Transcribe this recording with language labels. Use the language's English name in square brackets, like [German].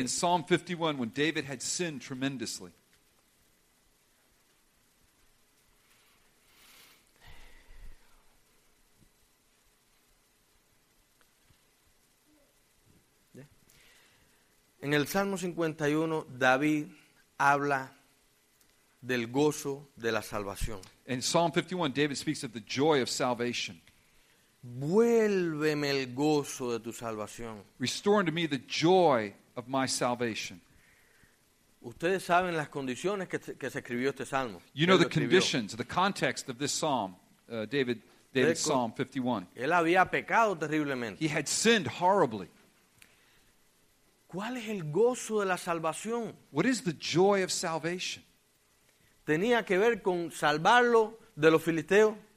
[English] In Psalm 51, when David had sinned tremendously. [Spanish] En el Salmo 51, David habla del gozo de la salvación. [English] In Psalm 51, David speaks of the joy of salvation. [Spanish] Vuélveme el gozo de tu salvación. [English] Restore unto me the joy of my salvation. [Spanish] Ustedes saben las condiciones que se escribió este salmo. [English] You know the conditions, the context of this psalm, David's Psalm 51. [Spanish] Él había pecado terriblemente. [English] He had sinned horribly. [Spanish] ¿Cuál es el gozo de la salvación? [English] What is the joy of salvation? [Spanish] Tenía que ver con salvarlo de los filisteos.